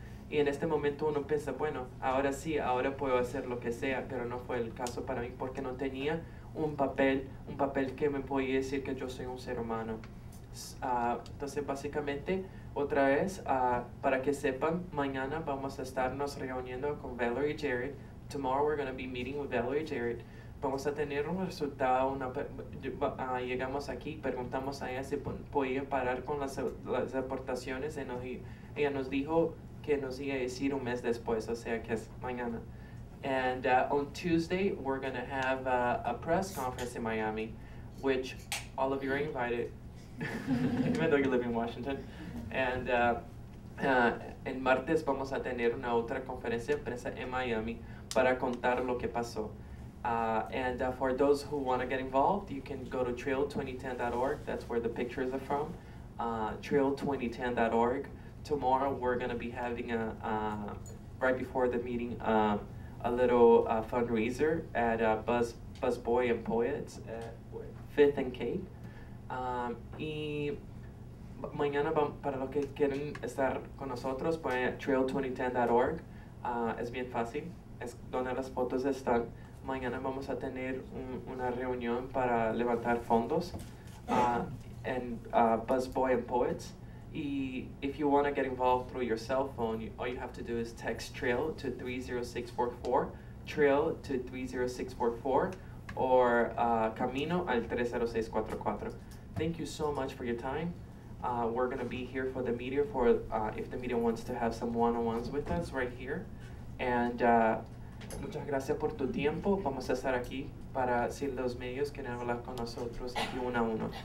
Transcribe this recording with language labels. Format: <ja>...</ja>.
<es>Y en este momento uno piensa, bueno, ahora sí, ahora puedo hacer lo que sea, pero no fue el caso para mí porque no tenía un papel que me podía decir que yo soy un ser humano. Entonces, básicamente, otra vez, para que sepan, mañana vamos a estarnos reuniendo con Valerie Jarrett.</es> <en>Tomorrow we're going to be meeting with Valerie Jarrett.</en> <es>Vamos a tener un resultado, llegamos aquí, preguntamos a ella si podía parar con las deportaciones. Ella nos dijo que nos iba a decir un mes después, o sea que es mañana.</es> <en>And on Tuesday, we're gonna have a press conference in Miami, which all of you are invited, even though you live in Washington.</en> <es>And en martes vamos a tener una otra conferencia de prensa en Miami para contar lo que pasó.</es> <en>And for those who wanna get involved, you can go to trail2010.org. That's where the pictures are from, trail2010.org. Tomorrow we're gonna be having right before the meeting, a little fundraiser at Buzz Boy and Poets at 5th and Cape.</en> <es>Y mañana para los que quieren estar con nosotros, pueden trail2010.org. Es bien fácil, es donde las fotos están. Mañana vamos a tener una reunión para levantar fondos and Buzz Boy and Poets.</es> <en>If you want to get involved through your cell phone, all you have to do is text TRAIL to 30644, TRAIL to 30644, or</en> <es>CAMINO al</es> <en>30644. Thank you so much for your time. We're going to be here for the media, if the media wants to have some one-on-ones with us right here.</en> <es>And muchas gracias por tu tiempo. Vamos a estar aquí para si los medios quieren hablar con nosotros aquí uno a uno.</es>